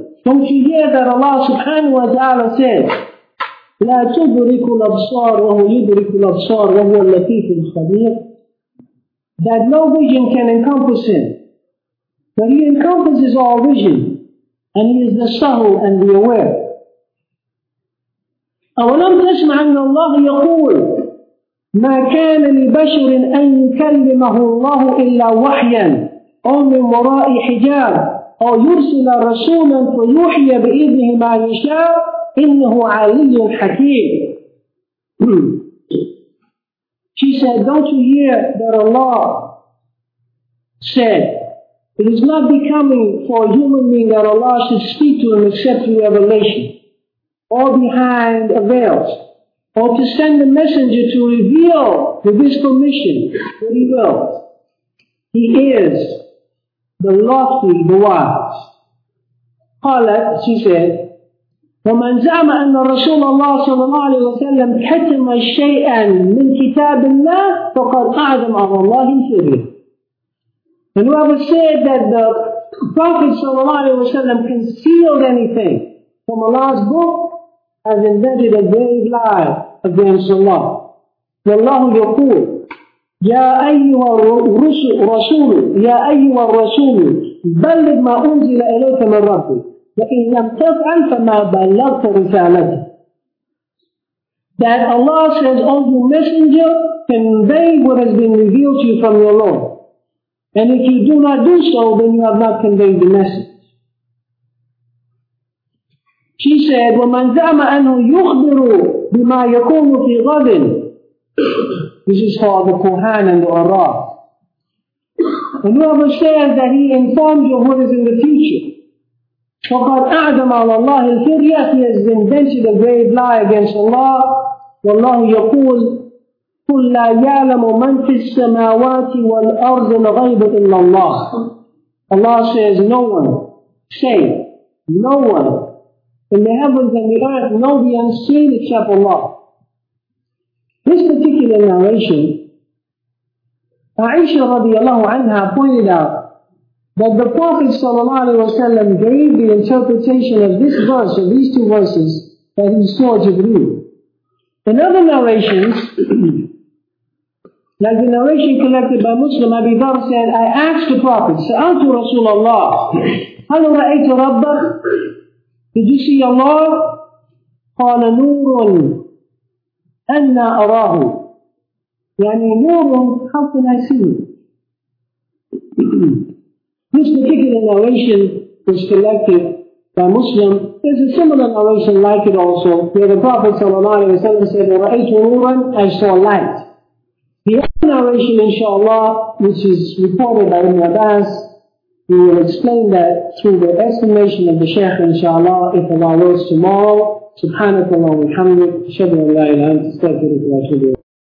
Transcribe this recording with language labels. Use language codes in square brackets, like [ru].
[en] Don't you hear that Allah subhanahu wa ta'ala says, [ar] لا تدرك الأبصار وهو يدرك الأبصار وهو اللطيف الخبير. [en] That no vision can encompass him. But he encompasses all vision. And he is the subtle and the aware. [ar] أولم تسمع أن الله يقول ما كان لبشر أن يكلمه الله إلا وحيا أو من وراء حجاب أو يرسل رسولا فيوحي بإذنه ما يشاء إِنَّهُ عَلِيٌّ حَكِيمٌ. [en] She said, don't you hear that Allah said, it is not becoming for a human being that Allah should speak to him except through revelation, or behind a veil, or to send a messenger to reveal with his permission that he wills. He is the lofty, the wise. [ar] قالت, [en] she said, [ar] ومن زعم أن رسول الله صلى الله عليه وسلم كتم شيئا من كتاب الله فقد أعظم على الله سره. [en] And whoever said that the Prophet صلى الله عليه وسلم concealed anything from Allah's book has invented a grave lie against Allah. [ar] والله يقول يا أيها الرسول يا أيها الرسول بلغ ما أنزل إليك من ربك وإن لم تفعل فما بلغت رسالته. [en] That Allah says, O you messenger, convey what has been revealed to you from your Lord. And if you do not do so, then you have not conveyed the message. She said, [ar] وَمَنْ زَعْمَ أَنْهُ يُخْبِرُ بِمَا يَكُونُ فِي غَدٍ. [en] This is called the Quran and the Araf. And whoever says that he informed you of what is in the future, [ar] فَقَدْ أَعْدَمَ عَلَى اللَّهِ الْفِرْيَةِ, [en] he has invented a grave lie against Allah. [ar] وَاللَّهُ يَقُولُ قُلْ لَا يَعْلَمُ مَنْ فِي السَّمَاوَاتِ وَالْأَرْضِ الْغَيْبُ إِلَّا اللَّهِ. [en] Allah says, no one, say, no one in the heavens and the earth know the unseen except Allah. This particular narration, Aisha radiallahu anha pointed out that the Prophet sallallahu alayhi wa sallam gave the interpretation of this verse, of these two verses, that he saw Jibreel. In other narrations, like the narration collected by Muslim, Abi Dharr said, I asked the Prophet, [ar] سَأَلْتُ رَسُولَ اللَّهِ هَلْ رَأَيْتُ رَبَّكَ, [en] did you see Allah? [ar] قَالَ نُورٌ أَنَّا أَرَاهُ, يعني نُورٌ, [en] how can I see you? This particular narration was collected by Muslim. There's a similar narration like it also, where the Prophet ﷺ said, [ar] رَأَيْتُ نُورًا, [en] I saw light. The other narration, inshallah, which is reported by Ibn Abbas, we will explain that through the estimation of the Shaykh, inshallah, if Allah wills tomorrow. SubhanAllah, wa bihamdih, shahadu an la ilaha illa anta, astaghfiruka wa atubu ilayk.